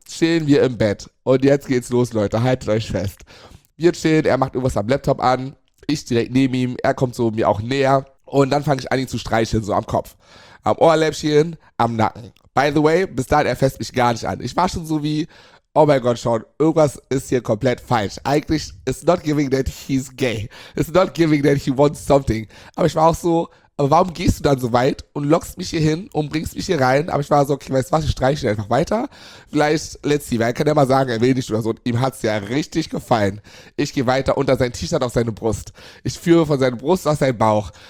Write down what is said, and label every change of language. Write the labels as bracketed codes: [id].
[de] Chillen wir im Bett. Und jetzt geht's los, Leute. Haltet euch fest. Wir chillen, er macht irgendwas am Laptop an. Ich direkt neben ihm. Er kommt so mir auch näher. Und dann fange ich an, ihn zu streicheln, so am Kopf. Am Ohrläppchen, am Nacken. [en] By the way, [de] bis dahin, er fasst mich gar nicht an. Ich war schon so wie, oh mein Gott, Sean, irgendwas ist hier komplett falsch. Eigentlich, [en] it's not giving that he's gay. It's not giving that he wants something. [de] Aber ich war auch so, aber warum gehst du dann so weit und lockst mich hier hin und bringst mich hier rein? Aber ich war so, okay, weißt du was, ich streiche einfach weiter. Vielleicht, [en] let's see, [de] weil er kann ja mal sagen, er will nicht oder so. Und ihm hat's ja richtig gefallen. Ich gehe weiter unter sein T-Shirt auf seine Brust. Ich führe von seiner Brust auf seinen Bauch.